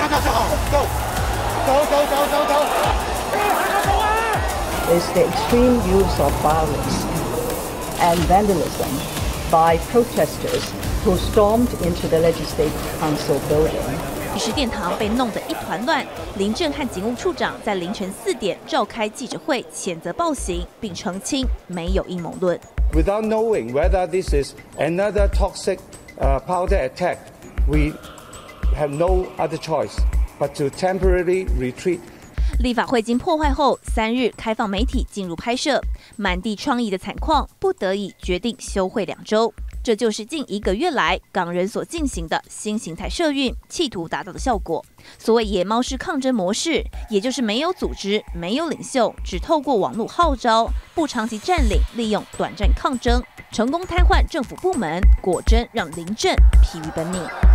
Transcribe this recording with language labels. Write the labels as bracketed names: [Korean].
[Chinese] 走走走走走走走走走走走走走走走走走走走走走走走走走走走走走走走走走走走走议事殿堂被弄得一团乱，林郑和警务处长在凌晨四点召开记者会，谴责暴行，并澄清没有阴谋论。 [English] Without knowing whether this is another toxic powder attack, we have no other choice but to temporarily retreat. [Chinese] 立法会经破坏后，三日开放媒体进入拍摄，满地创意的惨况，不得已决定休会两周。这就是近一个月来港人所进行的新形态社运，企图达到的效果。所谓野猫式抗争模式，也就是没有组织、没有领袖，只透过网络号召，不长期占领，利用短暂抗争，成功瘫痪政府部门，果真让林郑疲于奔命。